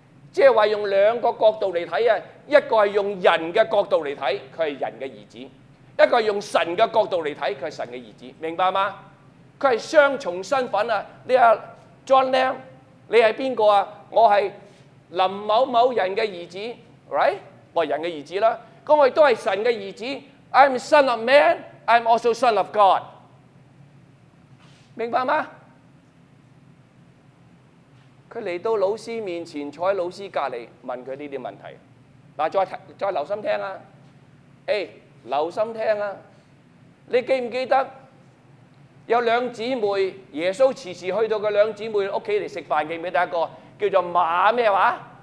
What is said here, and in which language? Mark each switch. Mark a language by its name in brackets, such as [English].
[Chinese] 即是说用两个角度来看，一个是用人的角度来看，他是人的儿子；一个是用神的角度来看，他是神的儿子。明白吗？他是双重身份。你是 John Lamb， 你是谁啊？我是林某某人的儿子， [English] right？ [Chinese] 我是人的儿子，那我也是神的儿子。 [English] I'm son of man, I'm also son of God. [Chinese] 明白吗？他来到老师面前，坐在老师隔离，问他这些问题。再留心听啊，留心听啊，你记不记得有两姊妹，耶稣迟迟去到他两姊妹家里吃饭，记不记得一个叫做马什么话？